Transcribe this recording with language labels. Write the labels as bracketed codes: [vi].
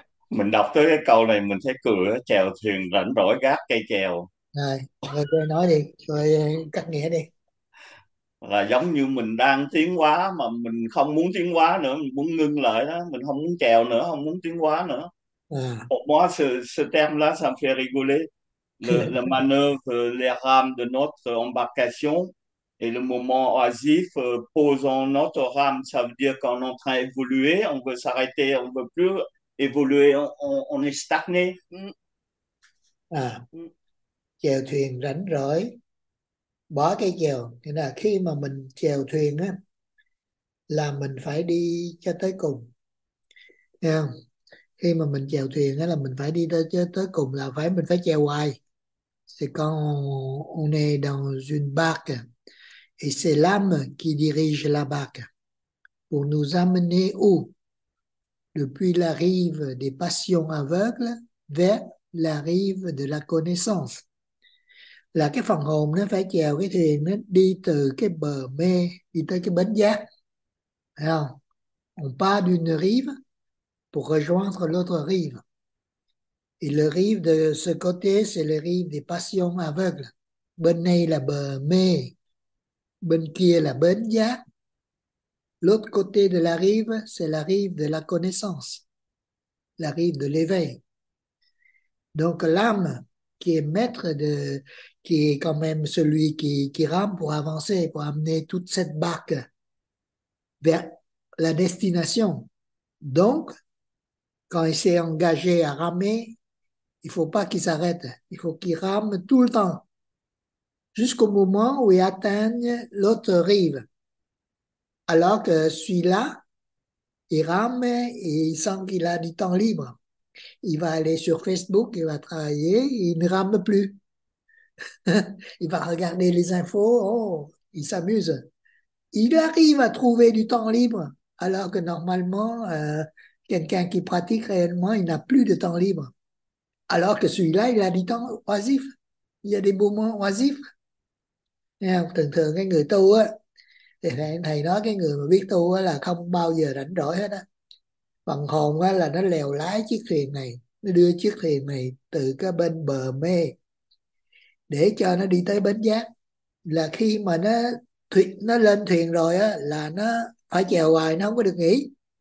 [vi] Mình đọc tới cái câu này mình thấy cười, chèo thuyền rảnh rỗi gác cây chèo Rồi, rồi tôi nói đi, rồi cắt nghĩa đi. là giống như mình đang tiến hóa mà mình không muốn tiến hóa nữa, mình muốn ngưng lại đó, mình không muốn chèo nữa, không muốn tiến hóa nữa. [fr] Pour moi, ce terme-là, ça me fait rigoler. Le manœuvre, l'érame de notre embarcation et le moment oisif posant notre rame, ça veut dire qu'on est en train d'évoluer, on veut s'arrêter, on veut plus évoluer, on est stagné. [vi] Chèo thuyền rảnh rỗi bỏ cây chèo, nghĩa là khi mà mình chèo thuyền á là mình phải đi cho tới cùng, nghe không? Khi mà mình chèo thuyền á là mình phải đi tới tới cùng, là phải mình phải chèo hoài. [fr] C'est quand on est dans une barque et c'est l'âme qui dirige la barque pour nous amener où? Depuis la rive des passions aveugles vers la rive de la connaissance. [vi] Là cái phần hồn nó phải chèo cái thuyền, nó đi từ cái bờ mê đi tới cái bến giác, thấy không? [fr] On part d'une rive pour rejoindre l'autre rive. Et le rive de ce côté, c'est le rive des passions aveugles. [vi] Bên này là bờ mê, bên kia là bến giác. [fr] L'autre côté de la rive, c'est la rive de la connaissance, la rive de l'éveil. Donc l'âme qui est maître de, qui est quand même celui qui rame pour avancer, pour amener toute cette barque vers la destination. Donc, quand il s'est engagé à ramer, il faut pas qu'il s'arrête, il faut qu'il rame tout le temps jusqu'au moment où il atteigne l'autre rive. Alors que celui-là, il rame et il sent qu'il a du temps libre. Il va aller sur Facebook, il va travailler, il ne rame plus. Il va regarder les infos, oh, il s'amuse. Il arrive à trouver du temps libre, alors que normalement, quelqu'un qui pratique réellement, il n'a plus de temps libre. Alors que celui-là, il a du temps oisif. Il y a des moments oisifs. [vi] Thường thường cái người tu á, thì thầy nói cái người mà biết tu á là không bao giờ rảnh rỗi hết á. Phần hồn á là nó lèo lái chiếc thuyền này, nó đưa chiếc thuyền này từ cái bên bờ mê để cho nó đi tới bến giác. Là khi mà nó lên thuyền rồi á là nó phải chèo hoài, nó không có được nghỉ.